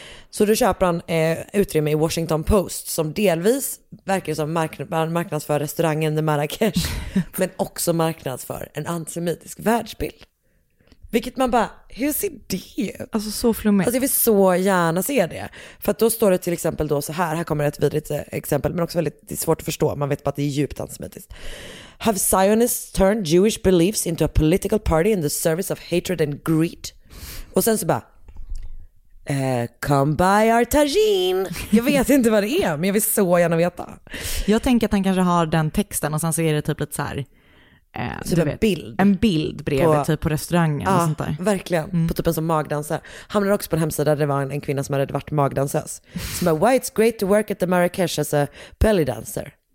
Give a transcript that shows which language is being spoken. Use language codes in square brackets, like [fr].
[sv] Så då köper han utrymme i Washington Post, som delvis verkar som marknadsför restaurangen The Marrakesh, men också marknadsför en antisemitisk världsbild. Vilket man bara, hur ser det ut? Alltså så flummigt. Alltså jag vill så gärna se det. För att då står det till exempel då så här, här kommer ett vidrigt exempel, men också väldigt, det är svårt att förstå, man vet bara att det är djupt antisemitiskt. [en] Have Zionists turned Jewish beliefs into a political party in the service of hatred and greed? [sv] Och sen så bara, [en] come by our tagine. [sv] Jag vet inte vad det är, men jag vill så gärna veta. Jag tänker att han kanske har den texten och sen så är det typ lite så här, typ vet, en bild bredvid på, typ på restaurangen och sånt där. Verkligen, på typ en som magdansare. Han hamnade också på en hemsida där det var en kvinna som hade varit magdansös. Som bara, [en] why it's great to work at the Marrakesh as a belly dancer.